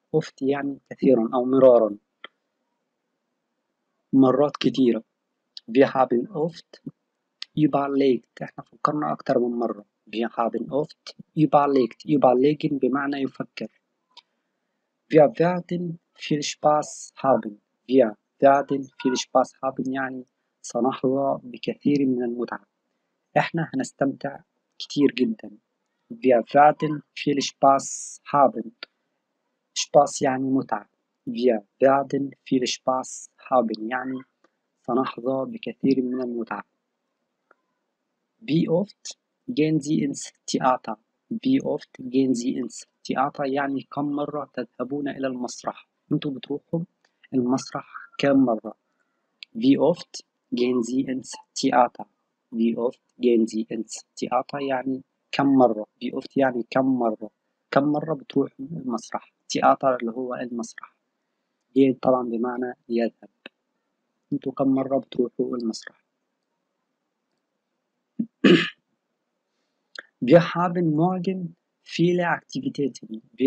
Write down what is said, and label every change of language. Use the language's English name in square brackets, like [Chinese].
[Arabic] Oft يعني كثيرا أو مرارا. مرات كثيرة. [German] Wir haben oft überlegt. [Arabic] إحنا فكرنا أكثر من مرة. [German] Wir haben oft überlegt. [Arabic] Überlegen بمعنى يفكر. [German] Wir werden viel Spaß haben. Wir werden viel Spaß haben. [Arabic] يعني سنحظى بكثير من المتعة. إحنا هنستمتع كثير جدا. [German] Wir werden viel Spaß haben. [Arabic] Spaß يعني متعة. [German] Wir werden viel Spaß haben. [Arabic] يعني سنحظى بكثير من المتعة. [German] Wie oft gehen Sie ins Theater? Wie oft gehen Sie ins Theater? [Arabic] يعني كم مرة تذهبون إلى المسرح؟ أنتم بتروحوا المسرح كم مرة؟ [German] Wie oft gehen Sie ins Theater? Wie oft gehen Sie ins Theater? [Arabic] يعني كم مرة؟ [German] Wie oft [Arabic] يعني كم مرة؟ كم مرة بتروح المسرح؟ Theater اللي هو المسرح. Gehen طبعا بمعنى يذهب. أنتم كم مرة بتروحوا المسرح؟ [German] Wir haben morgen viele Aktivitäten.